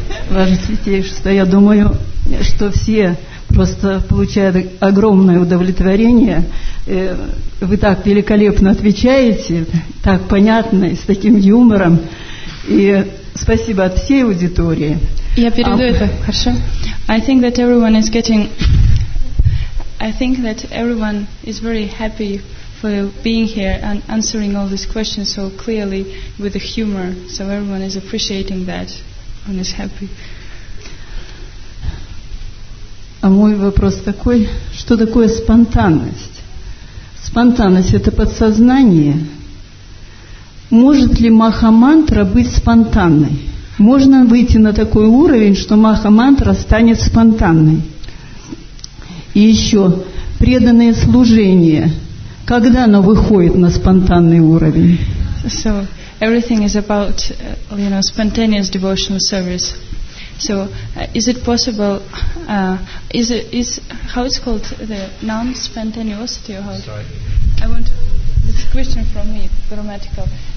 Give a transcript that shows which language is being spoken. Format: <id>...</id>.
<ru>Ваше святейшество, я думаю, что все просто получают огромное удовлетворение. Вы так великолепно отвечаете, так понятно и с таким юмором. И спасибо от всей аудитории. Я переведу это, хорошо?</ru> <en>I think that everyone is getting... I think that everyone is very happy for being here and answering all these questions so clearly with the humor. So everyone is appreciating that and is happy.</en> <ru>А мой вопрос такой, что такое спонтанность? Спонтанность – это подсознание. Может ли Маха-мантра быть спонтанной? Можно выйти на такой уровень, что Маха-мантра станет спонтанной? И еще преданное служение, когда оно выходит на спонтанный уровень?</ru> <en>So everything is about, you know, spontaneous devotional service. So is it possible? Is how it's called the non-spontaneity or how? Sorry. I want this question from me grammatical.</en>